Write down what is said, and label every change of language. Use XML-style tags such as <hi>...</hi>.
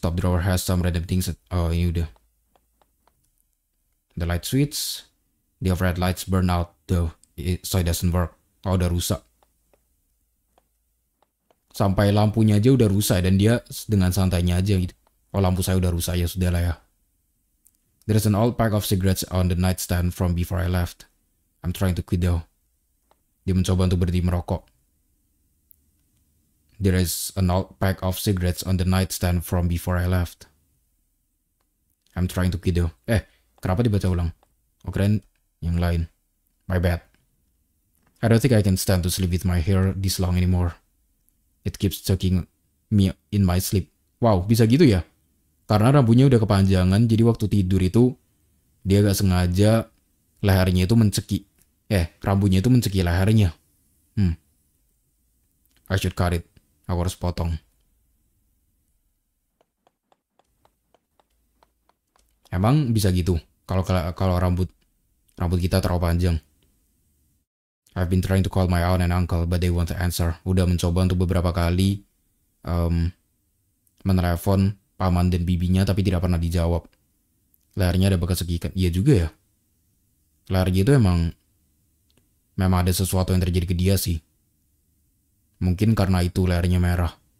<en>Top drawer has some random things.</en> <id>Ini udah.</id> <en>The light switch. The overhead lights burn out though. So it doesn't work.</en> <id>Oh, udah rusak. Sampai lampunya aja udah rusak. Dan dia dengan santainya aja gitu. Oh, lampu saya udah rusak. Ya sudah lah ya.</id> <en>There is an old pack of cigarettes on the nightstand from before I left. I'm trying to quit though.</en> <id>Dia mencoba untuk berhenti merokok.</id> <en>There is an old pack of cigarettes on the nightstand from before I left. I'm trying to quit though.</en> <id>Kenapa dibaca ulang? Oh, keren. Yang lain.</id> <en>My bad. I don't think I can stand to sleep with my hair this long anymore. It keeps choking me in my sleep.</en> <id>Wow, bisa gitu ya? Karena rambutnya udah kepanjangan, jadi waktu tidur itu dia gak sengaja lehernya itu menceki. Rambutnya itu menceki lehernya. I should cut it. Aku harus potong. Emang bisa gitu kalau rambut kita terlalu panjang.</id> <en>I've been trying to call my aunt and uncle, but they won't answer.</en> <id>Udah mencoba untuk beberapa kali menelepon paman dan bibinya, tapi tidak pernah dijawab. Lehernya ada bekas sekikan. Iya juga ya. Lehernya itu memang ada sesuatu yang terjadi ke dia sih. Mungkin karena itu lehernya merah.</id>